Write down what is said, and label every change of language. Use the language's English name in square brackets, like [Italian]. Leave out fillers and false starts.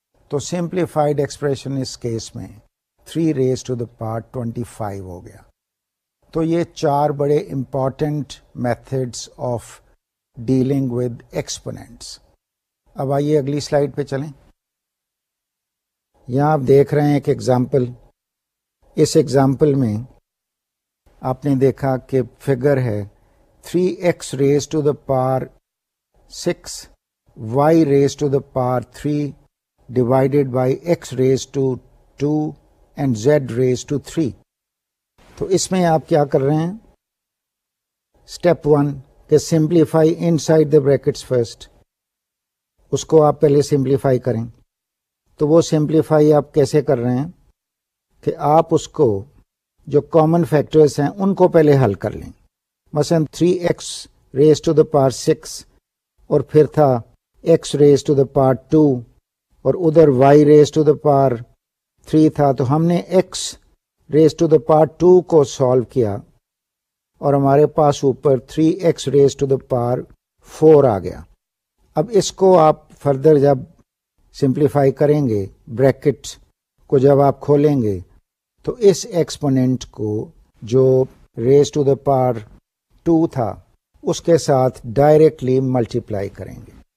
[Urdu] تو simplified expression اس case میں 3 raise to the power 25 ہو گیا. تو یہ چار بڑے important methods of dealing with exponents. اب آئیے اگلی سلائیڈ پہ چلیں. یہاں آپ دیکھ رہے ہیں ایک ایگزامپل، اس ایگزامپل میں آپ نے دیکھا کہ فگر ہے [English] 3x raised to the power 6 y raised to the power 3 divided by x raised to 2 and z raised to 3. [Urdu] تو اس میں آپ کیا کر رہے ہیں, اسٹیپ 1 کہ [English] simplify inside the brackets first, [Urdu] اس کو آپ پہلے سمپلیفائی کریں. تو وہ سمپلیفائی آپ کیسے کر رہے ہیں کہ آپ اس کو جو کامن فیکٹرز ہیں ان کو پہلے حل کر لیں. مثلا 3x raised to the power 6 اور پھر تھا x raised to the power 2 اور ادھر y raised to the power 3 تھا, تو ہم نے x raised to the power 2 کو سالو کیا اور ہمارے پاس اوپر 3x raised to the power 4 آ گیا. اب اس کو آپ فردر جب سمپلیفائی کریں گے, بریکٹ کو جب آپ کھولیں گے, تو اس ایکسپوننٹ کو جو ریز ٹو دا پاور 2 تھا اس کے ساتھ ڈائریکٹلی ملٹیپلائی کریں گے.